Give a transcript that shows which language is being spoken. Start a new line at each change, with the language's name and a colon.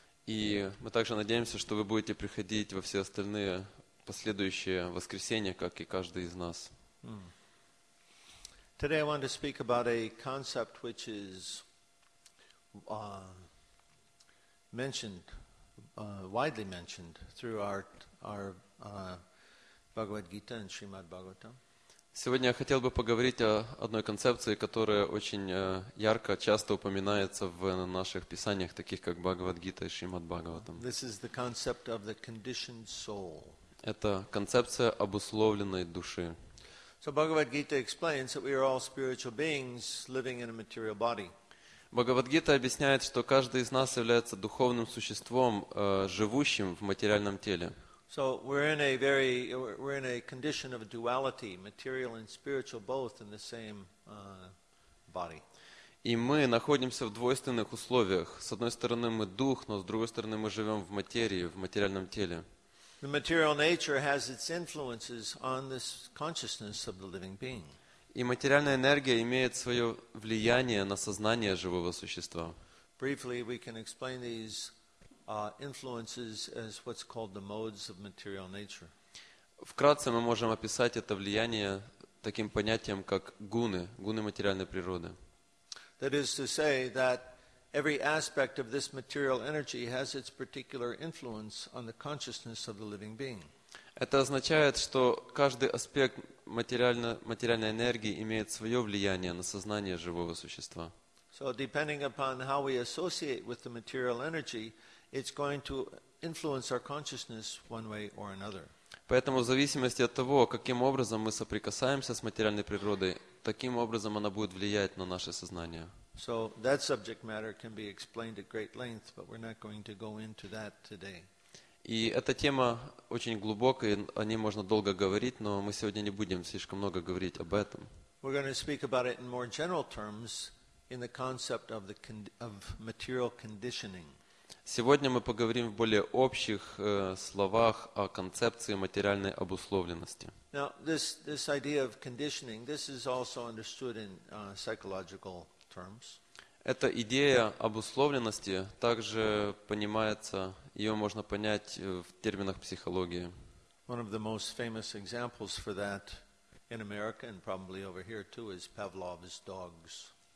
Russian: И мы также надеемся, что вы будете приходить во все остальные последующие воскресенья, как и каждый из нас.
English: Today I want to speak about a concept which is widely mentioned through our Bhagavad Gita and Srimad Bhagavatam.
Russian: Сегодня я хотел бы поговорить о одной концепции, которая очень ярко, часто упоминается в наших писаниях, таких как Бхагавад Гита и Шримад Бхагаватам.
English: This is the concept of the conditioned soul.
Russian: Это концепция обусловленной души.
English: So Bhagavad Gita explains that we are all spiritual beings living in a material body.
Russian: Бхагавад-гита объясняет, что каждый из нас является духовным существом, живущим в материальном теле.
English: So we're in a condition of duality, material and spiritual both in the same body.
Russian: И мы находимся в двойственных условиях. С одной стороны мы дух, но с другой стороны мы живем в материи, в материальном теле.
English: The material nature has its influences on this consciousness of the living being.
Russian: И материальная энергия имеет свое влияние на сознание живого существа.
English: Briefly, we can explain these influences as what's called the modes of material nature.
Russian: Вкратце мы можем описать это влияние таким понятием, как гуны, гуны материальной природы.
English: That is to say that every aspect of this material energy has its particular influence on the consciousness of the living being.
Russian: Это означает, что каждый аспект материальной энергии имеет свое влияние на сознание живого существа.
English: So, depending upon how we associate with the material energy, it's going to influence our consciousness one way or another.
Russian: Поэтому в зависимости от того, каким образом мы соприкасаемся с материальной природой, таким образом она будет влиять на наше сознание.
English: So that subject matter can be explained at great length, but we're not going to go into that today.
Russian: И эта тема очень глубокая, о ней можно долго говорить, но мы сегодня не будем слишком много говорить об этом.
English: We're going to speak about it in more general terms in the concept of material conditioning.
Russian: Сегодня мы поговорим в более общих словах о концепции материальной обусловленности.
English: Now, this idea of conditioning, this is also understood in psychological terms.
Russian: Эта идея обусловленности также понимается, ее можно понять в терминах психологии.
English: One of the most famous examples for that in America and probably over here too is Pavlov's dogs.